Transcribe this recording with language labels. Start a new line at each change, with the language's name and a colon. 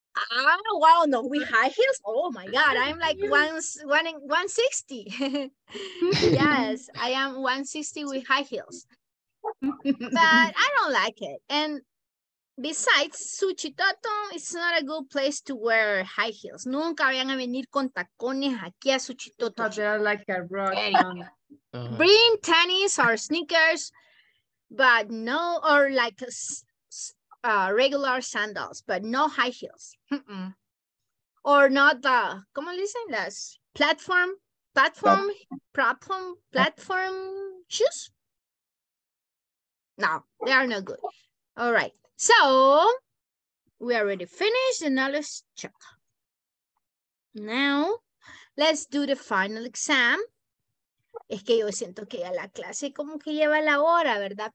English: Oh, wow, no, with high heels. Oh my god, I'm like 160. Yes, I am 160 with high heels. But I don't like it. And besides, Suchitoto, it's not a good place to wear high heels.
Spanish: Nunca vayan a venir con tacones aquí a Suchitoto.
English: They are like a rock. Bring tennis or sneakers, but no, or like regular sandals, but no high heels.
Spanish: Mm-mm.
English: Or not the,
Spanish: ¿cómo le dicen las?
English: Platform shoes? No, they are no good. All right. So, we already finished, and now let's check. Now, let's do the final exam.
Spanish: Es que yo siento que ya la clase como que lleva la hora, ¿verdad?